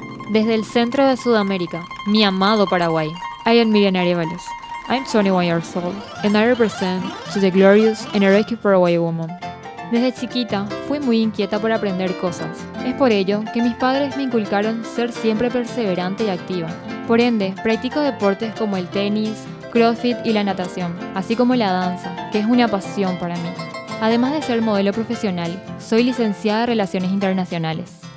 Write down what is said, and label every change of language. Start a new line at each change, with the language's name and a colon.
Spanish: Desde el centro de Sudamérica, mi amado Paraguay.
English: I am Miriam Arevalos. I'm 21 years old, and I represent to the glorious and heroic Paraguay woman.
Spanish: Desde chiquita, fui muy inquieta por aprender cosas. Es por ello que mis padres me inculcaron ser siempre perseverante y activa. Por ende, practico deportes como el tenis, crossfit y la natación, así como la danza, que es una pasión para mí. Además de ser modelo profesional, soy licenciada en Relaciones Internacionales.